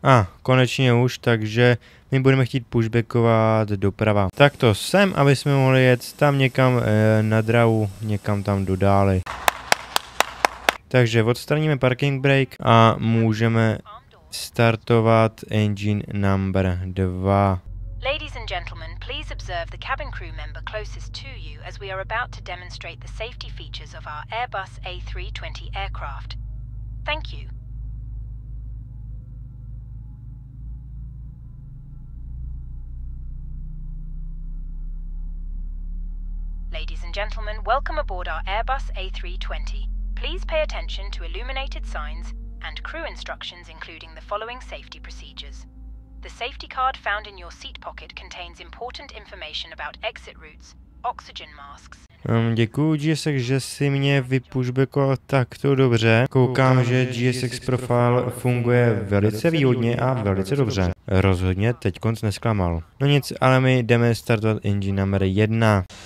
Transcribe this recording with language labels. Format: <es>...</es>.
<cs>A, konečně už, takže my budeme chtít pushbackovat doprava. Tak to sem, aby jsme mohli jet tam někam na drahu, někam tam dodáli. Takže odstraníme parking brake a můžeme startovat engine number 2.</cs> <en>Ladies and gentlemen, please observe the cabin crew member closest to you as we are about to demonstrate the safety features of our Airbus A320 aircraft. Thank you. Ladies and gentlemen, welcome aboard our Airbus A320. Please pay attention to illuminated signs and crew instructions including the following safety procedures. The safety card found in your seat pocket contains important information about exit routes, oxygen masks.</en> <cs>Děkuju GSX, že si mě vypushbackoval takto dobře. Koukám, že GSX profile funguje velice výhodně a velice dobře. Rozhodně teďkonc nesklamal. No nic, ale my jdeme startovat engine number 1.</cs>